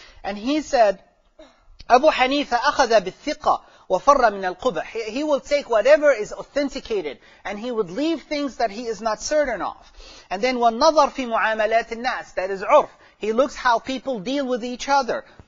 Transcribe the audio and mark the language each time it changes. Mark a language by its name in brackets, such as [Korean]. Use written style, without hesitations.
[English] And he said, [Arabic] Abu Hanifa akhadha bil-thiqa wa farra min al-qubah. [English] He will take whatever is authenticated and he would leave things that he is not certain of. And then, [Arabic] وَالنَّظَرْ فِي مُعَامَلَاتِ النَّاسِ [English] That is عُرْف. He looks how people deal with each other.